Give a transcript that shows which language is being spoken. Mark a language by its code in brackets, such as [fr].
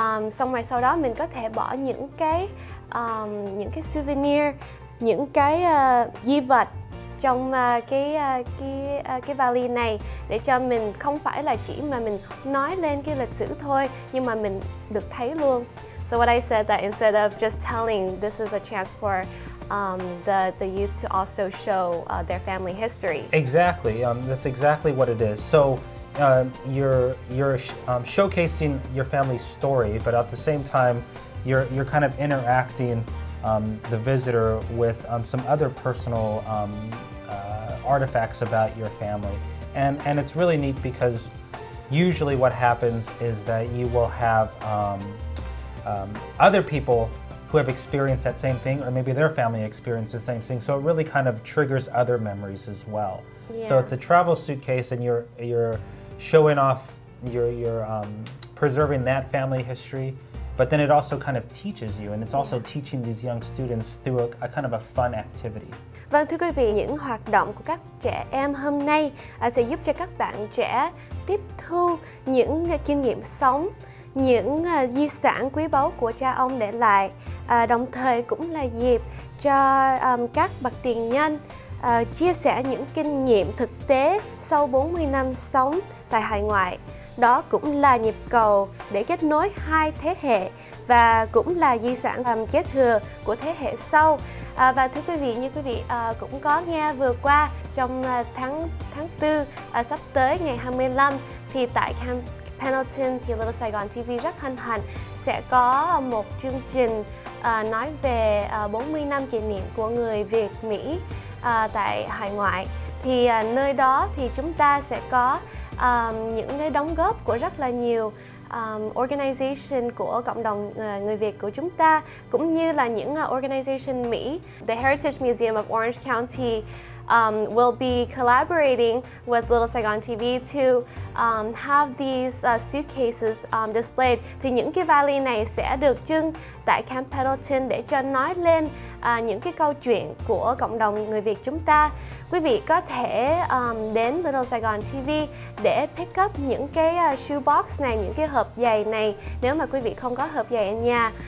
[vi] Xong rồi sau đó mình có thể bỏ những cái souvenir, những cái di vật trong cái vali này, để cho mình không phải là chỉ mà mình nói lên cái lịch sử thôi, nhưng mà mình được thấy luôn. [en] So what I said that instead of just telling, this is a chance for the youth to also show their family history. Exactly, that's exactly what it is. So you're showcasing your family's story, but at the same time, you're kind of interacting the visitor with some other personal artifacts about your family. And it's really neat, because usually what happens is that you will have other people who have experienced that same thing, or maybe their family experienced the same thing. So it really kind of triggers other memories as well. Yeah. So it's a travel suitcase, and you're showing off, you're preserving that family history. But then it also kind of teaches you, and it's also teaching these young students through a kind of a fun activity. [vi] Vâng, thưa quý vị, những hoạt động của các trẻ em hôm nay sẽ giúp cho các bạn trẻ tiếp thu những kinh nghiệm sống, những di sản quý báu của cha ông để lại, đồng thời cũng là dịp cho các bậc tiền nhân chia sẻ những kinh nghiệm thực tế sau 40 năm sống tại hải ngoại. Đó cũng là nhịp cầu để kết nối hai thế hệ, và cũng là di sản kế thừa của thế hệ sau. Và thưa quý vị, như quý vị cũng có nghe vừa qua, trong tháng 4 sắp tới ngày 25, thì tại Camp Pendleton thì Little Saigon TV rất hân hạnh sẽ có một chương trình nói về 40 năm kỷ niệm của người Việt Mỹ tại hải ngoại. Thì nơi đó thì chúng ta sẽ có những cái đóng góp của rất là nhiều organization của cộng đồng người Việt của chúng ta, cũng như là những organization Mỹ. [en] The Heritage Museum of Orange County will be collaborating with Little Saigon TV to have these suitcases displayed. [vi] Thì những cái vali này sẽ được trưng tại Camp Pendleton để cho nói lên những cái câu chuyện của cộng đồng người Việt chúng ta. Quý vị có thể đến Little Saigon TV để [en] pick up [vi] những cái shoebox này, những cái hộp giày này, nếu mà quý vị không có hộp giày ở nhà.